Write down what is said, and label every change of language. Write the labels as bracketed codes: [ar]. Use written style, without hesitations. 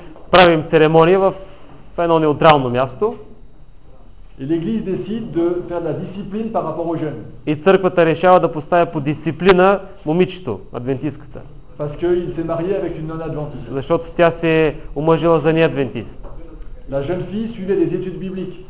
[bg] Правим церемония в едно неутрално място. [fr] Et l'église décide de faire de la discipline par rapport aux jeunes. [bg] И църквата решава да поставя по дисциплина момичето, адвентистката. [fr] Parce qu'il s'est marié avec une non-adventiste. [bg] Защото тя се е омъжила за неадвентист. [fr] La jeune fille suivait des études bibliques.